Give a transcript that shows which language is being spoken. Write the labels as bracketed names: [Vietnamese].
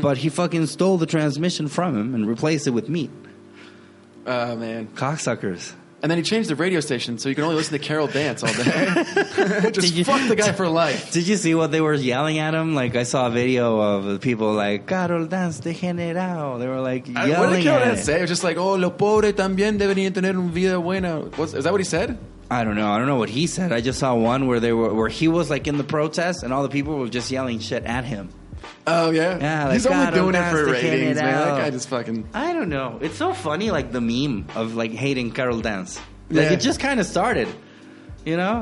[English] But he fucking stole the transmission from him and replaced it with meat. Oh, man. Cocksuckers. And then he changed the radio station so you could only listen to Carol dance all day. Fuck the guy for life. Did you see what they were yelling at him? Like, I saw a video of people like, Carol dance de general. They were like yelling at him. What did Carol say? It was just like, oh, [Spanish] los pobres también deberían tener un vida buena. [English] Is that what he said? I don't know. I don't know what he said. I just saw one where he was like in the protest and all the people were just yelling shit at him. Oh, yeah? Yeah. Like, he's only doing it for ratings, man. That guy just fucking... I don't know. It's so funny, like the meme of like hating Carol dance. Like it just kind of started, you know?